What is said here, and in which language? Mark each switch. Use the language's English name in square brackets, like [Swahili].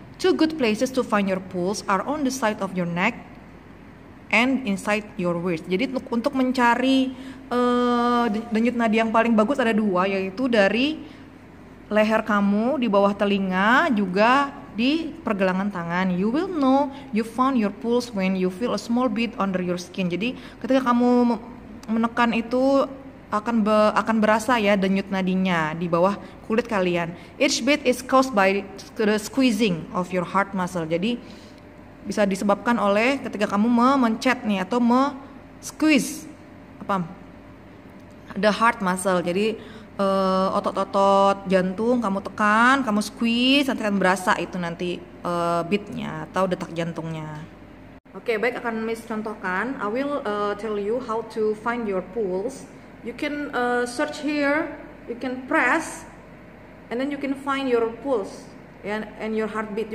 [English] Two good places to find your pulse are on the side of your neck and inside your wrist. [Indonesian] Jadi untuk mencari denyut nadi yang paling bagus ada dua, yaitu dari leher kamu, di bawah telinga, juga di pergelangan tangan. [English] You will know you found your pulse when you feel a small beat under your skin. [Indonesian] Jadi ketika kamu menekan itu akan berasa ya denyut nadinya di bawah kulit kalian. [English] Each beat is caused by the squeezing of your heart muscle. [Indonesian] Jadi bisa disebabkan oleh ketika kamu mencet nih atau squeeze apa [English] the heart muscle. [Indonesian] Jadi otot-otot jantung kamu tekan, kamu squeeze, nanti akan berasa itu nanti beatnya atau detak jantungnya. Oke, baik, akan Miss contohkan. [English] I will tell you how to find your pulse. You can search here, you can press, and then you can find your pulse and your heartbeat.